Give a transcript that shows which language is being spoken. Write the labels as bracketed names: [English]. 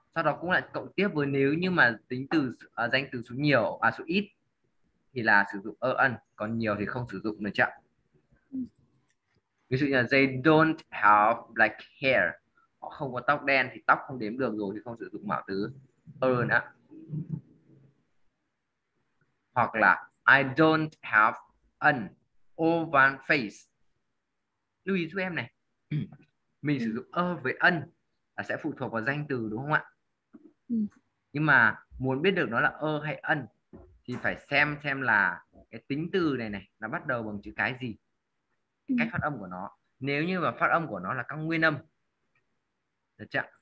[Vietnamese] Sau đó cũng là cộng tiếp với nếu như mà tính từ danh từ số nhiều à số ít thì là sử dụng an, còn nhiều thì không sử dụng, được chưa? Ví dụ như là [English] they don't have black hair, [Vietnamese] họ không có tóc đen thì tóc không đếm được rồi thì không sử dụng mạo từ an á. Hoặc là [English] I don't have an oval face. [Vietnamese] Lưu ý giúp em này. Mình sử dụng a với an là sẽ phụ thuộc vào danh từ đúng không ạ? Nhưng mà muốn biết được nó là a hay an thì phải xem là cái tính từ này này nó bắt đầu bằng chữ cái gì. Cái cách phát âm của nó. Nếu như mà phát âm của nó là các nguyên âm, được chưa?